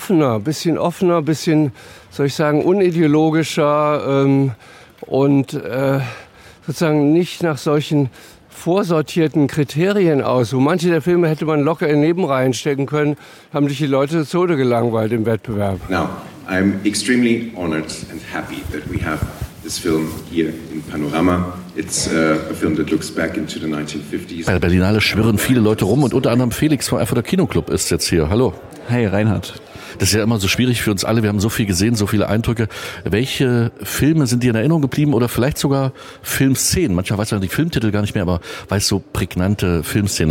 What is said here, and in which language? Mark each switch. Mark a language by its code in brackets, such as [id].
[de] Ein bisschen offener, bisschen, soll ich sagen, unideologischer und sozusagen nicht nach solchen vorsortierten Kriterien aus. Und manche der Filme hätte man locker in Nebenreihen stecken können, haben sich die Leute zu Tode gelangweilt im Wettbewerb. [en] Now, I'm extremely honored and happy that we have this film here in Panorama. It's a film that looks back into the 1950s. [de] Bei der Berlinale schwirren viele Leute rum und unter anderem Felix vom Erfurter Kinoclub ist jetzt hier. Hallo. Hey, Reinhard. Das ist ja immer so schwierig für uns alle. Wir haben so viel gesehen, so viele Eindrücke. Welche Filme sind dir in Erinnerung geblieben oder vielleicht sogar Filmszenen? Manchmal weiß man die Filmtitel gar nicht mehr, aber weiß so prägnante Filmszenen.